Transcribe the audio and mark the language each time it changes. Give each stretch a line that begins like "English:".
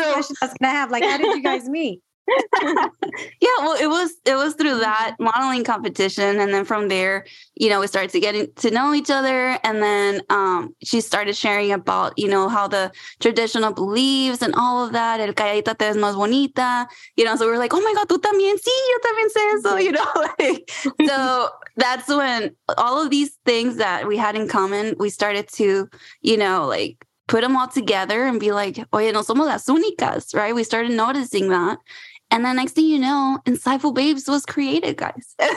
English: I was gonna have like, how did you guys meet? Yeah, well, it was through that modeling competition, and then from there, you know, we started to get to know each other, and then she started sharing about, you know, how the traditional beliefs and all of that.
Spanish: El calladita te ves más bonita,
English: you know. So we're like, oh my god,
Spanish: tú también, sí, yo también sé eso, you know.
English: Like, so. That's when all of these things that we had in common, we started to, you know, like put them all together and be like,
Spanish: oye, no somos las únicas,
English: right? We started noticing that. And then next thing you know, Insightful Babes was created, guys.